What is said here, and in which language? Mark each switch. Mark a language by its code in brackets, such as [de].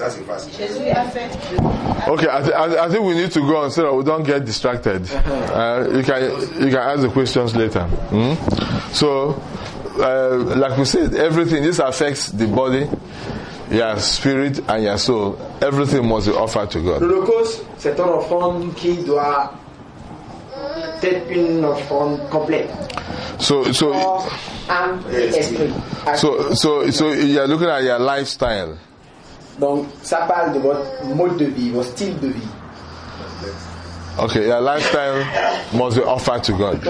[en] Okay, I think we need to go on so that we don't get distracted. You can ask the questions later. Like we said, everything, this affects the body, your spirit and your soul. Everything must be offered to God. [fr] L'holocauste, c'est une offrande qui doit être une offrande complète. [en] So you're looking at your lifestyle. [fr] Donc ça parle de votre mode de vie, votre style de vie. [en] Okay, your lifestyle must be offered to God.